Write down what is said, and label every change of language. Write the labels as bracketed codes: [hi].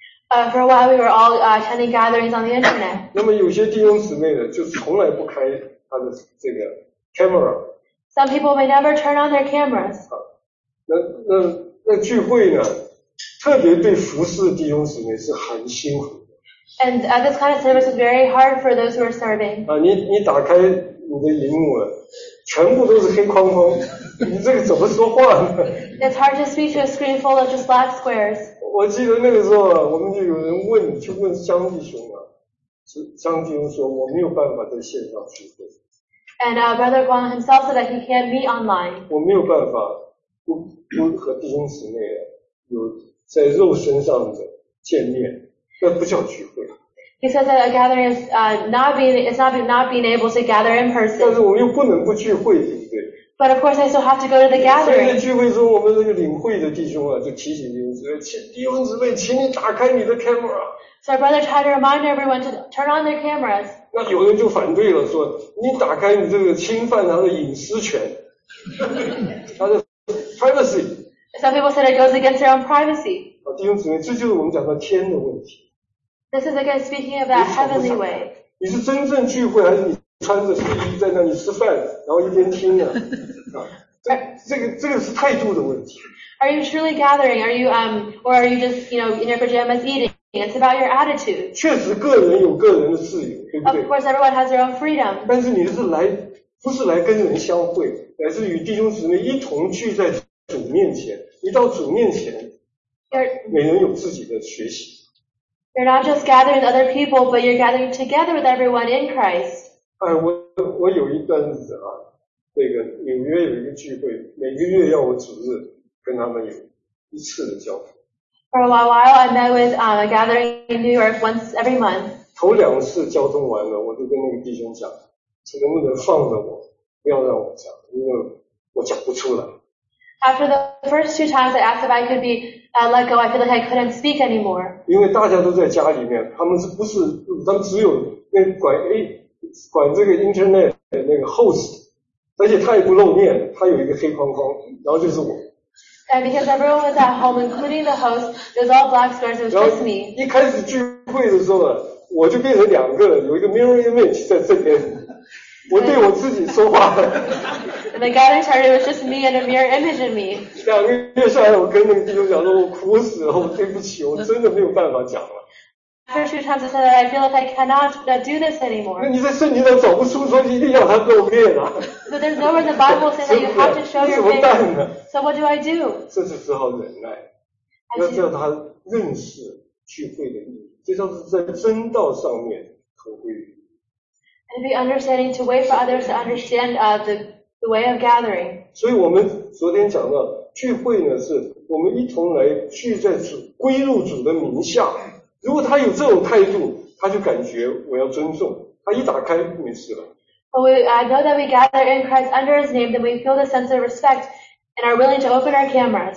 [en] For a while we were all attending gatherings on the internet. [zh] 那么有些弟兄姊妹呢就从来不开他的这个 camera. [en] Some people may never turn on their cameras. [zh] 那聚会呢特别对服侍弟兄姊妹是很辛苦的。 [en] And this kind of service is very hard for those who are serving. [zh] 你打开你的荧幕了，全部都是黑框框，你这个怎么说话呢？ [en] It's hard to speak to a screen full of just black squares. [zh] 我记得那个时候啊，我们就有人问，去问张弟兄啊，张弟兄说我没有办法在线上聚会。 [en] And Brother Guan himself said that he can't meet online. [zh] 我没有办法，不和弟兄姊妹啊，有在肉身上的见面，那不叫聚会。 [en] He says that a gathering is not being able to gather in person. [zh] 但是我们又不能不聚会，对不对？ [en] But of course, I still have to go to the gathering. [zh] 所以在聚会中，我们这个领会的弟兄啊，就提醒弟兄姊妹，请你打开你的 camera. [en] So our brother tried to remind everyone to turn on their cameras. [zh] 那有人就反对了，说你打开你这个侵犯他的隐私权，他的 privacy. [en] Some people said it goes against their own privacy. [zh] 啊，弟兄姊妹，这就是我们讲到天的问题。 [en] This is again speaking of that heavenly way. [zh] 你是真正聚会还是你？穿着睡衣在那里吃饭，然后一边听呢、啊，这个是态度的问题。 [en] Are you truly gathering? Are you or are you just you know in your pajamas eating? It's about your attitude. [zh] 确实，个人有个人的自由，对不对 [en] ？Of course, everyone has their own freedom. [zh] 但是你是来不是来跟人相会，乃是与弟兄姊妹一同聚在主面前。一到主面前，每人有自己的学习。 [en] You're not just gathering other people, but you're gathering together with everyone in Christ. [zh] 哎，我有一段日子啊，那个纽约有一个聚会，每个月要我主日跟他们有一次的交通。 [en] For a while, I met with a gathering in New York once every month. [zh] 头两次交通完了，我就跟那个弟兄讲，能不能放了我，不要让我讲，因为我讲不出来。 [en] After the first two times, I asked if I could be let go. I feel like I couldn't speak anymore. [zh] 因为大家都在家里面，他们是不是他们只有那拐 A。管这个 internet 的那个 host， 而且他也不露面，他有一个黑框框，然后就是我。 [en] And because everyone was at home, including the host, there's all black squares, it was just me. [zh] 一开始聚会的时候呢，我就变成两个人，有一个 [en] mirror image [zh] 在这边，我对我自己说话。 [en] And the gathering started with just me and a mirror image of me. [zh] 两个月下来，我跟那个弟兄讲说，我苦死了，我对不起，我真的没有办法讲了。 [en] After two times, I said that I feel like I cannot do this anymore. [zh] 那你在圣经上找不出说一定要他露面啊 [en] ？So there's nowhere in the Bible saying that you have to show your face. [zh] 怎么办呢 [en] ？So what do I do? [zh] 这是只好忍耐，要叫他认识聚会的意义，这叫是在真道上面合规。 [en] And be understanding to wait for others to understand the way of gathering. [zh] 所以我们昨天讲到聚会呢，是我们一同来聚在主归入主的名下。如果他有这种态度，他就感觉我要尊重。他一打开，没事了。 [en] Well, we know that we gather in Christ under His name, then we feel the sense of respect and are willing to open our cameras.